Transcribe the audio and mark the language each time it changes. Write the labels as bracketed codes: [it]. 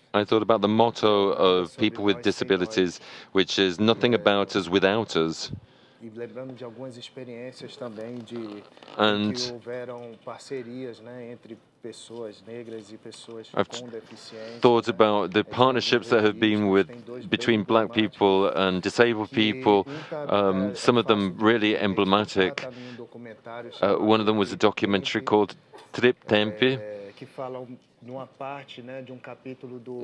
[en] I thought about the motto of people with disabilities, which is nothing about us without us. [pt] E lembrando de algumas experiências também de [en] and [pt] que houveram parcerias, né, entre pessoas negras e pessoas com deficiência. [en] Thought about the partnerships that have been with between black people and disabled people, some of them really emblematic. One of them was a documentary called Trip Tempi, [pt] que fala numa parte, né, de capítulo do